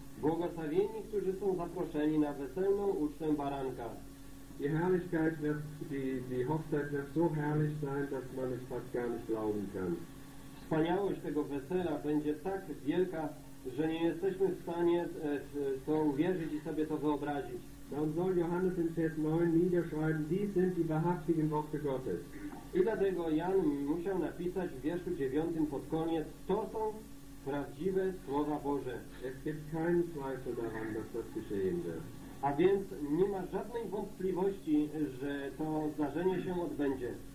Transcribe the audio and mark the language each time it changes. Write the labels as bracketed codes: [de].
[pl] Błogosławieni, którzy są zaproszeni na weselną ucztę baranka. [de] Die Herrlichkeit wird, die Hochzeit wird so herrlich sein, dass man es fast gar nicht glauben kann. [pl] Wspaniałość tego wesela będzie tak wielka, że nie jesteśmy w stanie to uwierzyć i sobie to wyobrazić. [de] Dann soll Johannes in Vers 9 niederschreiben, dies sind die wahrhaftigen Worte Gottes. [pl] I dlatego Jan musiał napisać w wierszu 9 pod koniec, to są prawdziwe słowa Boże. [de] Es gibt keinen Zweifel daran, dass das geschehen wird. [pl] A więc nie ma żadnej wątpliwości, że to zdarzenie się odbędzie.